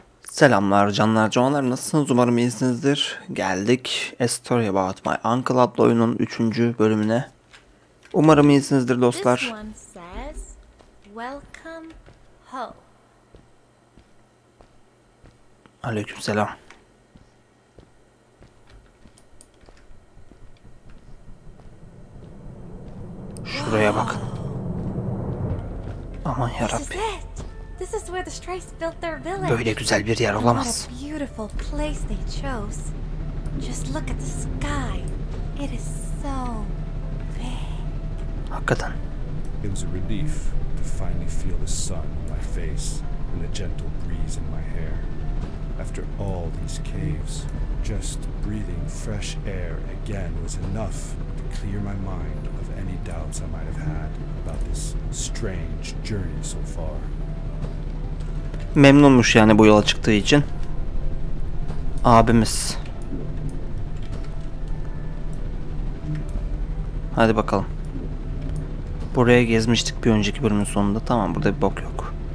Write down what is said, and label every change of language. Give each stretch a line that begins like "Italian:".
Turkish: Selamlar canlar canlar, nasılsınız? Umarım iyisinizdir. Geldik A Story About My Uncle adlı oyunun 3. bölümüne. Umarım iyisinizdir dostlar.
English: This one says, welcome home.
Turkish: Aleyküm selam. Şuraya bakın. Aman yarabbim.
English: This is where the Strays built their village.
Turkish: Böyle güzel bir yer olamaz.
English: What a beautiful place they chose. Just look at the sky. It is so big.
Turkish: Hakikaten.
English: It was a relief to finally feel the sun on my face and the gentle breeze in my hair. After all these caves, just breathing fresh air again was enough to clear my mind of any doubts I might have had about this strange journey so far.
Turkish: Memnunmuş yani bu yola çıktığı için. Abimiz. Hadi bakalım. Buraya gezmiştik bir önceki bölümün sonunda. Tamam, burada bir bok yok.